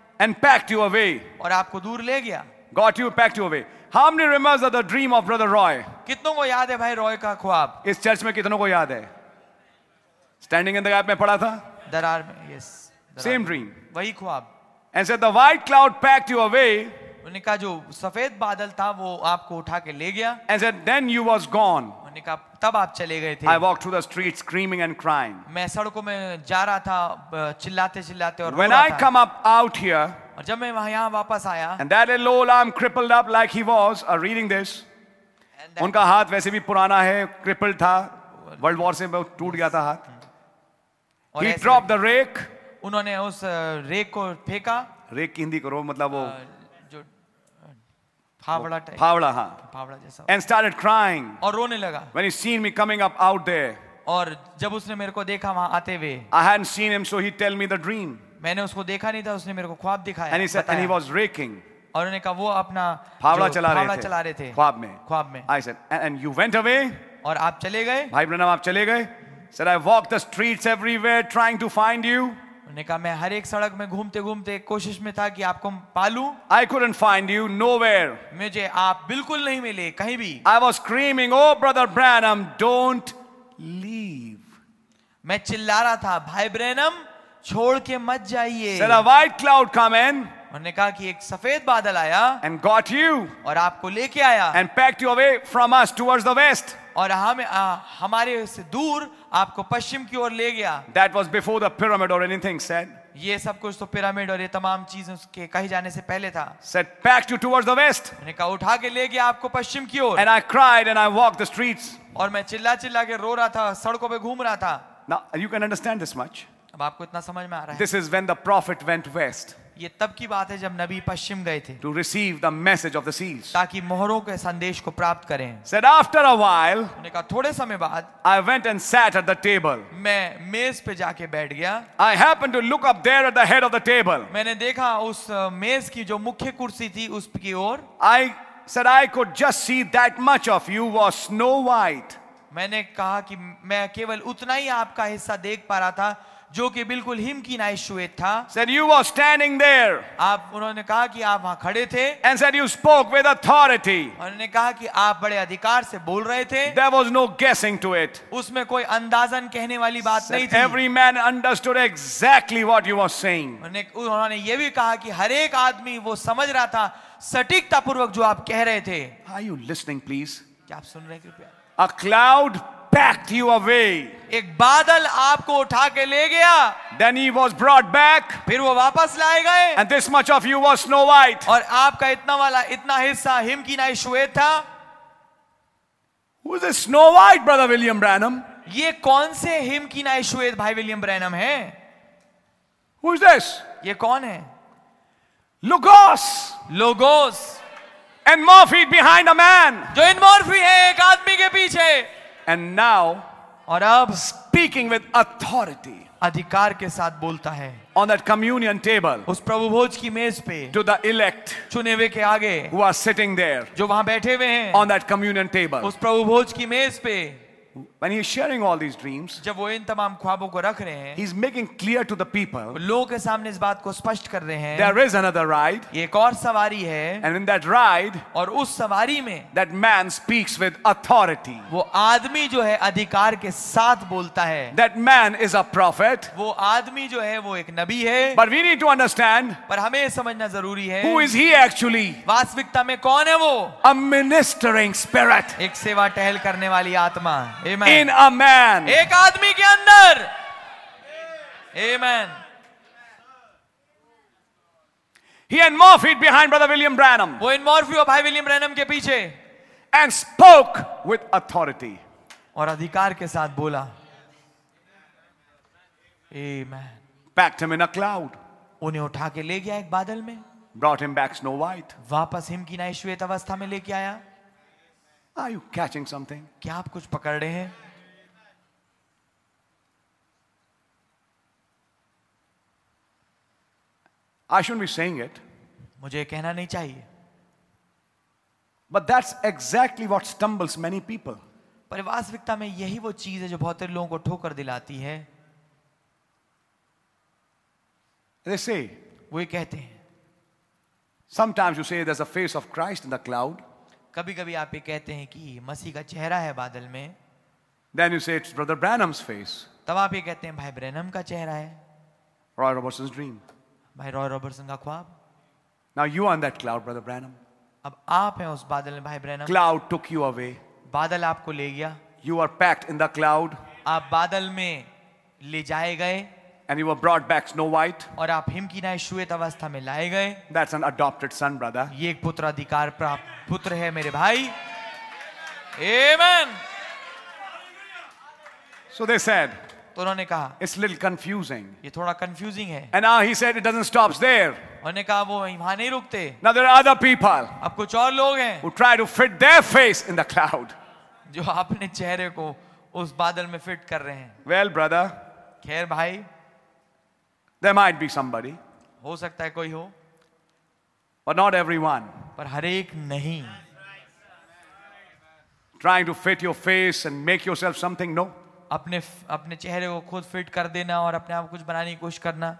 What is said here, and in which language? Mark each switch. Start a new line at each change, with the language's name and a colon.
English: And packed you away.
Hindi: और आपको दूर ले गया.
English: Got you, packed you away. How many remembers the dream of Brother Roy?
Hindi: कितनों को याद है भाई रॉय का ख्वाब? इस चर्च में कितनों को याद है?
English: Standing in the gap
Hindi: में पड़ा था. दरार में, yes.
English: Same dream.
Hindi: वही ख्वाब.
English: And said the white cloud packed you away.
Hindi: उन्होंने कहा जो सफेद बादल था वो आपको उठा के ले गया.
English: And said, then you was gone.
Hindi: उन्होंने कहा तब आप चले गए थे.
English: I walked through the streets screaming and crying.
Hindi: मैं सड़कों में जा रहा था चिल्लाते चिल्लाते और
English: When I come up out here,
Hindi: और जब मैं यहाँ वापस आया,
English: and that little old arm crippled up like he was, are reading this.
Hindi: उनका हाथ वैसे भी पुराना है, crippled था, World War से टूट गया था हाथ.
English: He dropped the rake.
Hindi: उन्होंने उस रेक को फेंका. रेक की हिंदी करो मतलब वो फावड़ा टाइप. फावड़ा, हाँ. फावड़ा जैसा.
English: And started crying.
Hindi: और रोने लगा.
English: When he seen me coming up out there.
Hindi: और जब उसने मेरे को देखा वहाँ आते हुए.
English: I hadn't seen him, so he tell me the dream.
Hindi: मैंने उसको देखा नहीं था, उसने मेरे को ख्वाब दिखाया.
English: And he said, and he was raking.
Hindi: और उन्होंने कहा वो अपना फावड़ा चला रहे थे. ख्वाब में. ख्वाब में.
English: I said, and you went away.
Hindi: और आप चले गए. भाई ब्रनम आप चले गए.
English: Said I walked the streets everywhere trying to find you.
Hindi: ने कहा मैं हर एक सड़क में घूमते घूमते कोशिश में था कि आपको पालूं.
English: I couldn't find you nowhere.
Hindi: मुझे आप बिल्कुल नहीं मिले कहीं भी.
English: I was screaming, oh brother Branham, don't leave.
Hindi: मैं चिल्ला रहा था भाई ब्रैनम छोड़ के मत जाइए.
English: Said a white cloud come in.
Hindi: उन्होंने कहा कि एक सफेद बादल आया.
English: And got you.
Hindi: और आपको लेके आया.
English: And packed you away from us towards the west.
Hindi: और हमें हमारे से दूर आपको पश्चिम की ओर ले गया.
English: That was before the pyramid or anything said.
Hindi: ये सब कुछ तो पिरामिड और ये तमाम चीजें उसके कहीं जाने से पहले था.
English: Said packed you towards the west.
Hindi: मैंने कहा उठा के ले गया आपको पश्चिम की ओर.
English: And I cried and I walked the streets.
Hindi: और मैं चिल्ला चिल्ला के रो रहा था सड़कों पे घूम रहा था.
English: Now you can understand this much.
Hindi: अब आपको इतना समझ में आ रहा है.
English: This is when the prophet went west.
Hindi: ये तब की बात है जब नबी पश्चिम गए थे.
English: To receive the message of the seals.
Hindi: ताकि मोहरों के संदेश को प्राप्त करें.
English: Said after a while.
Hindi: उन्होंने कहा थोड़े समय बाद.
English: I went and sat at the table.
Hindi: मैं मेज पे जाके बैठ गया.
English: I happened to look up there at the head of the table.
Hindi: मैंने देखा उस मेज की जो मुख्य कुर्सी थी उसकी ओर.
English: I said I could just see that much of you was snow white.
Hindi: मैंने कहा कि मैं केवल उतना ही आपका हिस्सा देख पा रहा था जो कि बिल्कुल हिम की नाई श्वेत था.
English: Said you were standing there.
Hindi: आप उन्होंने कहा कि आप वहां खड़े थे.
English: And said you spoke with authority.
Hindi: उन्होंने कहा कि आप बड़े अधिकार से बोल रहे थे.
English: There was no guessing to it.
Hindi: उसमें कोई अंदाजन कहने वाली बात
English: Said
Hindi: नहीं थी.
English: Every man understood exactly what you were saying.
Hindi: उन्होंने ये भी कहा कि हर एक आदमी वो समझ रहा था सटीकता पूर्वक जो आप कह रहे थे.
English: Are you listening, please?
Hindi: क्या आप सुन रहे हैं कृपया?
English: A cloud packed you away.
Hindi: एक बादल आपको उठा के ले गया.
English: Then he was brought back.
Hindi: फिर वो वापस लाए गए.
English: And this much of you was snow white.
Hindi: और आपका इतना वाला इतना हिस्सा हिम की नाई श्वेत था.
English: Who is this Snow White, Brother William Branham?
Hindi: ये कौन से हिम की ना श्वेत भाई विलियम ब्रैनम है?
English: Who is this?
Hindi: ये कौन है?
English: Logos.
Hindi: Logos.
English: And Murphy behind a man.
Hindi: जो इन मॉर्फी है एक आदमी के पीछे.
English: And now.
Hindi: और अब.
English: Speaking with authority.
Hindi: अधिकार के साथ बोलता है.
English: On that communion table.
Hindi: उस प्रभु भोज की मेज पे.
English: To the elect.
Hindi: चुने हुए के आगे.
English: Who are sitting there.
Hindi: जो वहाँ बैठे हुए हैं.
English: On that communion table.
Hindi: उस प्रभु भोज की मेज पे.
English: When he is sharing all these dreams,
Hindi: जब वो इन तमाम ख्वाबों को रख रहे हैं,
English: he is making clear to the people,
Hindi: लोगों के सामने इस बात को स्पष्ट कर रहे हैं,
English: there is another ride,
Hindi: एक और सवारी है,
English: and in that ride,
Hindi: और उस सवारी में,
English: that man speaks with authority,
Hindi: वो आदमी जो है अधिकार के साथ बोलता है,
English: that man is a prophet,
Hindi: वो आदमी जो है वो एक नबी है,
English: but we need to understand,
Hindi: पर हमें समझना जरूरी है,
English: who is he actually,
Hindi: वास्तविकता में कौन है वो,
English: a ministering spirit,
Hindi: एक सेवा टहल करने वाली आत्मा Amen.
English: In a man.
Hindi: एक आदमी के अंदर. Amen.
English: He and Murphy behind Brother William Branham.
Hindi: वो इन मॉर्फी और भाई विलियम ब्रैनम के पीछे.
English: And spoke with authority.
Hindi: और अधिकार के साथ बोला.
English: Amen. Packed him in a cloud.
Hindi: उन्हें उठा के ले गया एक बादल में.
English: Brought him back snow white.
Hindi: वापस हिम की नई श्वेत अवस्था में लेके आया.
English: Are you catching something?
Hindi: क्या आप कुछ पकड़ रहे हैं?
English: I shouldn't be saying it.
Hindi: मुझे कहना नहीं चाहिए.
English: But that's exactly what stumbles many people.
Hindi: पर वास्तविकता में यही वो चीज है जो बहुत से लोगों को ठोकर दिलाती है.
English: They say.
Hindi: वो ये कहते हैं.
English: Sometimes you say there's a face of Christ in the cloud.
Hindi: कभी कभी आप ये कहते हैं कि मसीह का चेहरा है बादल में.
English: Then you say it's Brother Branham's face.
Hindi: तब आप ये कहते हैं भाई ब्रैनम का चेहरा है.
English: Roy Robertson's dream.
Hindi: भाई रॉय रॉबर्टसन का ख्वाब.
English: Now you are on that cloud, Brother Branham.
Hindi: अब आप हैं उस बादल में भाई Branham.
English: Cloud took you away.
Hindi: बादल आपको ले गया.
English: You are packed in the cloud.
Hindi: आप बादल में ले जाए गए.
English: And you were brought back Snow White.
Hindi: और आप हिम की नाई श्वेत अवस्था में लाए गए.
English: That's an adopted son, brother.
Hindi: ये एक पुत्र अधिकार प्राप्त पुत्र है मेरे भाई.
English: Amen. So they said.
Hindi: तो उन्होंने कहा.
English: It's a little confusing.
Hindi: ये थोड़ा confusing है.
English: And now he said it doesn't stops there.
Hindi: उन्होंने कहा वो वहाँ नहीं रुकते.
English: Now there are other people.
Hindi: अब कुछ और लोग हैं.
English: Who try to fit their face in the cloud.
Hindi: जो अपने चेहरे को उस बादल में फिट कर रहे हैं.
English: Well, brother.
Hindi: खैर भाई.
English: There might be somebody.
Hindi: हो सकता है कोई हो.
English: But not everyone.
Hindi: पर हर एक नहीं.
English: Trying to fit your face and make yourself something, no.
Hindi: अपने चेहरे को खुद फिट कर देना और अपने आप कुछ बनाने की कोशिश करना.